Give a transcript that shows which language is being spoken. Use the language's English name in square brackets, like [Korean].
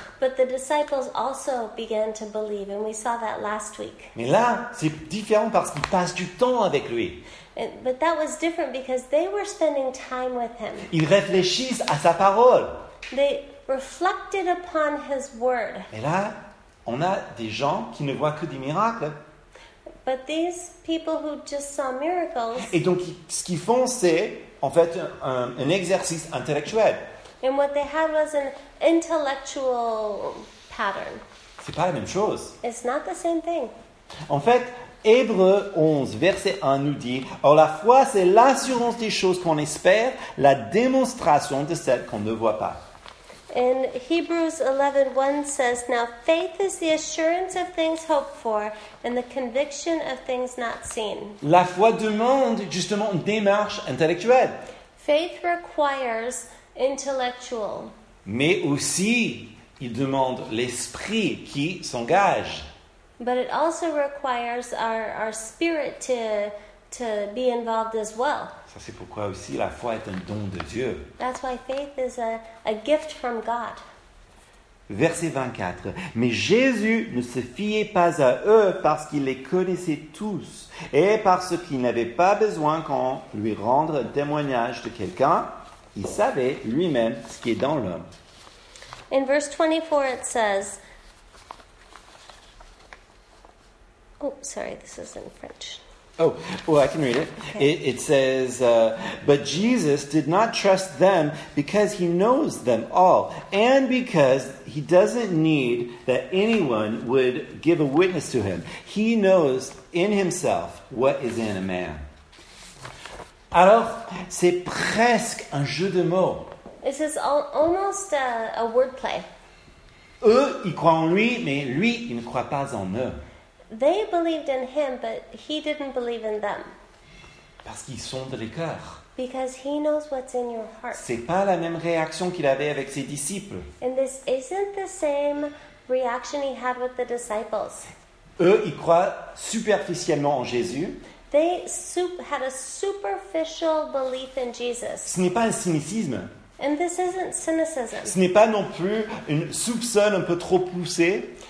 [English] But the disciples also began to believe, and we saw that last week. [French] Mais là, c'est différent parce qu'ils passent du temps avec lui. [English] But that was different because they were spending time with him. [French] Ils réfléchissent à sa parole. [English] They reflected upon his word. [French] Et là, on a des gens qui ne voient que des miracles. [English] But these people who just saw miracles. [French] Et donc, ce qu'ils font, c'est en fait un exercice intellectuel. [English] And what they had was an intellectual pattern. [French] C'est pas la même chose. [English] It's not the same thing. [French] En fait, Hébreux 11, verset 1 nous dit: Or la foi, c'est l'assurance des choses qu'on espère, la démonstration de celles qu'on ne voit pas. [English] In Hebrews 11, 1 says: Now faith is the assurance of things hoped for and the conviction of things not seen. [French] La foi demande justement une démarche intellectuelle. [English] Faith requires intellectual. [French] Mais aussi, il demande l'esprit qui s'engage. [English] But it also requires our spirit to be involved as well. [French] Ça c'est pourquoi aussi la foi est un don de Dieu. [English] That's why faith is a gift from God. [French] Verset 24. Mais Jésus ne se fiait pas à eux parce qu'il les connaissait tous et parce qu'il n'avait pas besoin qu'on lui rende un témoignage de quelqu'un. Il savait lui-même ce qui est dans l'homme. [English] In verse 24 it says. Oh, sorry, this is in French. Oh, well, I can read it. Okay. It says, But Jesus did not trust them because he knows them all and because he doesn't need that anyone would give a witness to him. He knows in himself what is in a man. [French] Alors, c'est presque un jeu de mots. [English] This is almost a wordplay. [French] Eux, ils croient en lui, mais lui, il ne croit pas en eux. [English] They believed in him, but he didn't believe in them. [French] Parce qu'ils sondent les cœurs. [English] Because he knows what's in your heart. [French] C'est pas la même réaction qu'il avait avec ses disciples. [English] And this isn't the same reaction he had with the disciples. [French] Eux, ils croient superficiellement en Jésus. [English] They had a superficial belief in Jesus. [French] Ce n'est pas un cynicisme. [English] And this isn't cynicism. [French] Ce n'est pas non plus une soupçon un peu trop poussée.